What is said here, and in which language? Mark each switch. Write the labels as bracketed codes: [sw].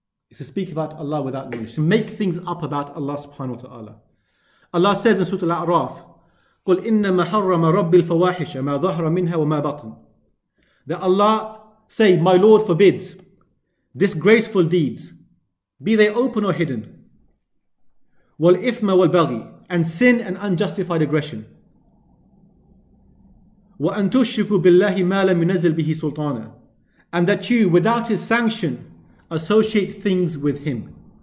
[en] It's to speak about Allah without knowledge, to make things up about Allah subhanahu wa ta'ala. Allah says in Surah Al-A'raf, [ar] قُلْ إِنَّمَا حَرَّمَ رَبِّ الْفَوَاحِشَ مَا ظَهْرَ مِنْهَا وَمَا بَطْنَ. [en] That Allah say, my Lord forbids disgraceful deeds, be they open or hidden, [ar] وَالْإِثْمَ وَالْبَغِي, [en] and sin and unjustified aggression, [ar] وَأَنْ تُشْرِكُوا بِاللَّهِ مَا لَمْ يُنَزِّلْ بِهِ سُلْطَانًا, [en] and that you, without His sanction, associate things with Him.